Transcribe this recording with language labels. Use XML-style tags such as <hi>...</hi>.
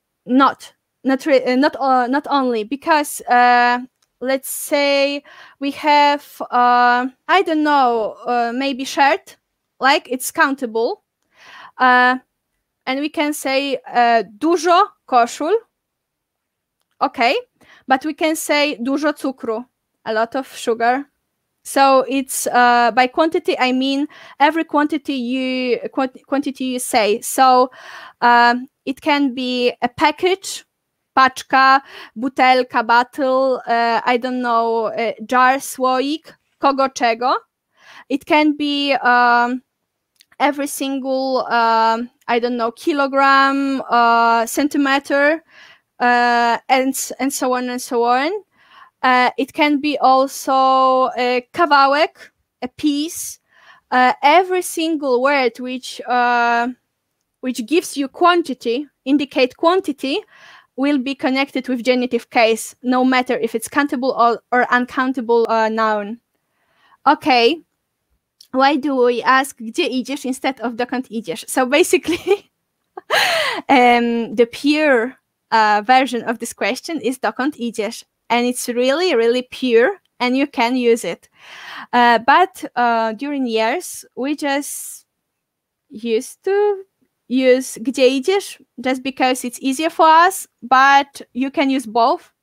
<en>Not only, because let's say we have, I don't know, maybe shirt, like it's countable. And we can say</en> <pl>dużo koszul,</pl> <en>okay. But we can say</en> <pl>dużo cukru,</pl> <en>a lot of sugar. So it's by quantity, I mean every quantity you say. So it can be a package, paczka, butelka, bottle, I don't know, jar, słoik, kogo, czego. It can be every single, I don't know, kilogram, centimeter, and so on and so on. It can be also a kawałek, a piece. Every single word which gives you quantity, indicate quantity, will be connected with genitive case, no matter if it's countable or uncountable noun. Okay. Why do we ask</en> <pl>gdzie idziesz</pl> <en>instead of</en> <pl>dokąd idziesz?</pl> <en>So basically, The pure version of this question is</en> <pl>dokąd idziesz,</pl> <en>and it's really, really pure, and you can use it. But during years, we just used to use</en> <pl>gdzie idziesz</pl> <en>just because it's easier for us, but you can use both.</en>